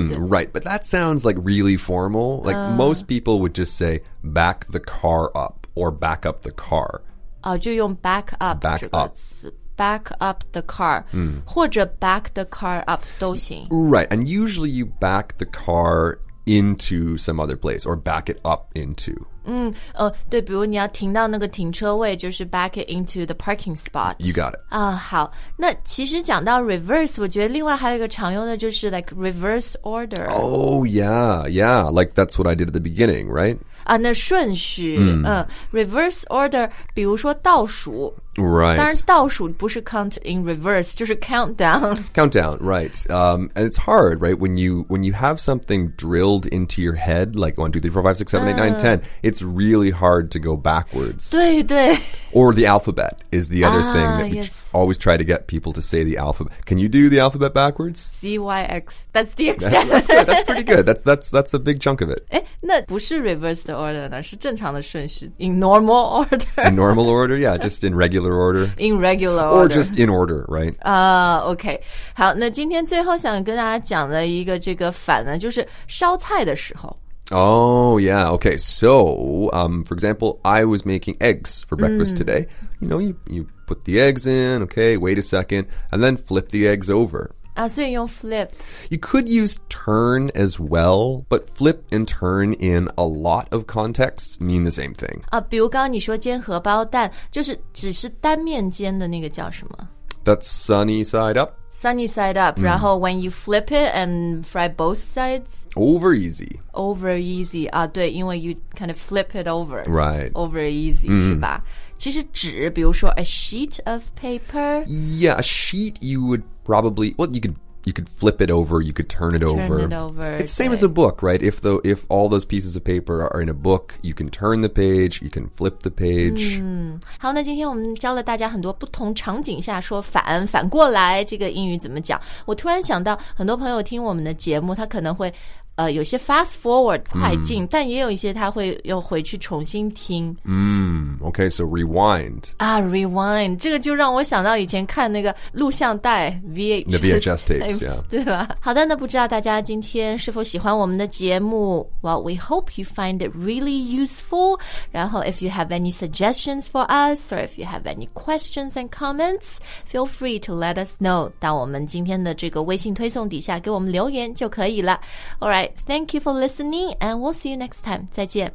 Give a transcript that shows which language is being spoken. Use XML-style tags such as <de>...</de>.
<en>Right, but that sounds like really formal. Like most people would just say back the car up or back up the car.</en> <zh>就用</zh> <en>back up. Back up. Back up the car.</en> <zh>或者</zh> <en>back the car up</en> <zh>都行</zh> <en>Right, and usually you back the car into some other place or back it up into.</en> <zh>对比如你要停到那个停车位就是</zh> <en>back it into the parking spot You got it</en> <zh>好那其实讲到 reverse 我觉得另外还有一个常用的就是</zh> <en>like reverse order Oh yeah, yeah Like that's what I did at the beginning, right?</en> <zh>那顺序、</zh> <en>Reverse order</en> <zh>比如说倒数</zh> <en>Right</en> <zh>当然倒数不是</zh> <en>count in reverse</en> <zh>就是 countdown</zh> <en>Countdown, right、And it's hard, right? When you have something drilled into your head Like 1, 2, 3, 4, 5, 6, 7, 8, 9, 10It's really hard to go backwards.</en> <zh>对对。</zh> <en>Or the alphabet is the other thing that we always try to get people to say the alphabet. Can you do the alphabet backwards? CYX. That's the extent. That's good. That's pretty good. That's a big chunk of it.</en> <zh>那不是</zh> <en>reverse the order,</en> <zh>呢是正常的顺序。</zh> <en>In normal order. In normal order, yeah. Just in regular order. In regular order. Or just in order, right? Okay.</en> <zh>好那今天最后想跟大家讲的一个这个反呢就是烧菜的时候。</zh> <en>Oh, yeah. Okay, so, for example, I was making eggs for breakfast today. You know, you put the eggs in, okay, wait a second, and then flip the eggs over. So you flip. You could use turn as well, but flip and turn in a lot of contexts mean the same thing.</en> <zh>比如刚刚你说煎荷包蛋,就是只是单面煎的那个叫什么?</zh> <en>That's sunny side up. Sunny side up,</en> <zh>然后</zh> <en>when you flip it and fry both sides? Over easy. Over easy,</en> <zh>对,因为</zh> <en>you kind of flip it over. Right.</en> <zh>Over easy, 是吧? 其实纸,比如说</zh> <en>a sheet of paper? Yeah, a sheet you would probably, well, you could flip it over, you could turn it over. Turn it over. It's the same as a book, right? If all those pieces of paper are in a book, you can turn the page, you can flip the page.</en> <zh>好,那今天我们教了大家很多不同场景下说反过来这个英语怎么讲。我突然想到很多朋友听我们的节目,他可能会有些</zh> <en>fast forward</en> <zh>快进、但也有一些他会又回去重新听、</zh> <en>Okay, so rewind</en> <zh>Rewind 这个就让我想到以前看那个录像带</zh> <en>The VHS tapes、yeah.</en> <zh>对吧好的那不知道大家今天是否喜欢我们的节目</zh> <en>Well, we hope you find it really useful</en> <zh>然后</zh> <en>if you have any suggestions for us or if you have any questions and comments feel free to let us know</en> <zh>到我们今天的这个微信推送底下给我们留言就可以了</zh> <en>All right, thank you for listening, and we'll see you next time.</en> <zh>再见。</zh>